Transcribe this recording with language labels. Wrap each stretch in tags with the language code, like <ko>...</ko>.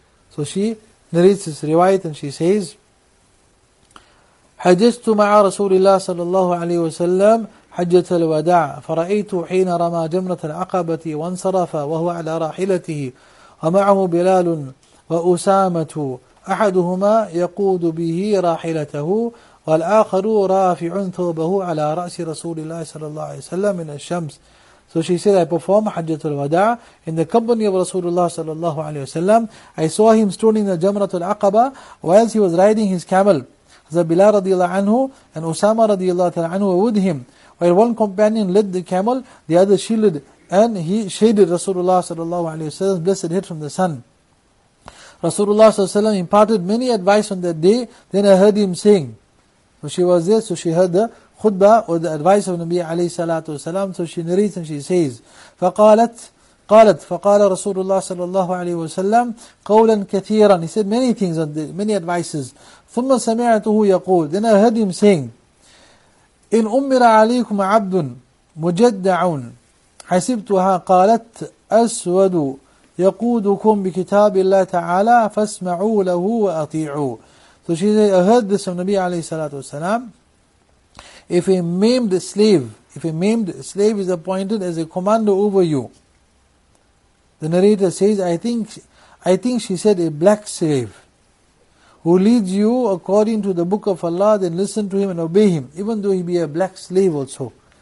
<en>So she narrates this riwayat and she says,</en> <ar>Hajjastu ma'a Rasulullah sallallahu alayhi wasallam حجة الوداع فرأيت حين رمى جمرة العقبة وانصرف وهو على راحلته ومعه بلال وأسامة أحدهما يقود به راحلته والآخر رافع ثوبه على رأس رسول الله صلى الله عليه وسلم من الشمس.</ar> <en>So she said, I performed حجة الوداع in the company of Rasulullah</en> <ar>صلى الله عليه وسلم.</ar> <en>I saw him stoning the جمرة العقبة whilst he was riding his camel. The Bilal رضي الله عنه and Usama رضي الله عنه were with him. While one companion led the camel, the other shielded, and he shaded Rasulullah sallallahu alayhi wa sallam's blessed head from the sun. Rasulullah sallallahu alayhi wa imparted many advice on that day. Then I heard him saying, so she was there, so she heard the khutbah or the advice of Nabi alayhi salatu wasalam. So she narrates and she says,</en> <ar>فقالت فقال رسول الله صلى الله عليه وسلم قولا كثيرا.</ar> <en>He said many things, many advices.</en> <ar>ثم سمعته يقول.</ar> <en>Then I heard him saying,</en> <ar>إن أمر عليكم عبد مجدع حسبتها قالت أسود يقودكم بكتاب الله تعالى فاسمعوا له وأطيعوا.</ar> <en>So she said, I heard this from Nabi</en> <ar>عليه الصلاة والسلام.</ar> <en>If a maimed slave is appointed as a commander over you, the narrator says, I think she said a black slave, who leads you according to the book of Allah, then listen to him and obey him, even though he be a black slave also.</en>